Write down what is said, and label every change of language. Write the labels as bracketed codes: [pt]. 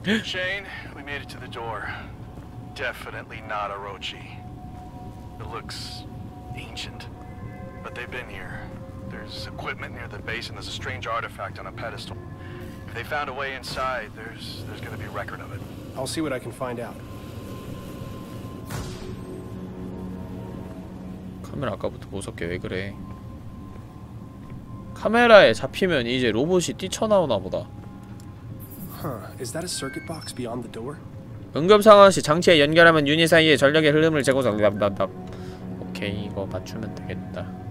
[en] Shane, we made it to the door. Definitely not Orochi. It looks ancient. But they've been here. There's equipment near the base and there's a strange artifact on a pedestal. If they found a way inside, there's gonna be a record of it. I'll see what I can find out. [ko] 카메라 아까부터 무섭게 왜 그래. 카메라에 잡히면 이제 로봇이 뛰쳐나오나 보다. [en] Is that a circuit box beyond the door? [ko] 응급 상황 시 장치에 연결하면 유닛 사이의 전력의 흐름을 재고장. 오케이 이거 맞추면 되겠다.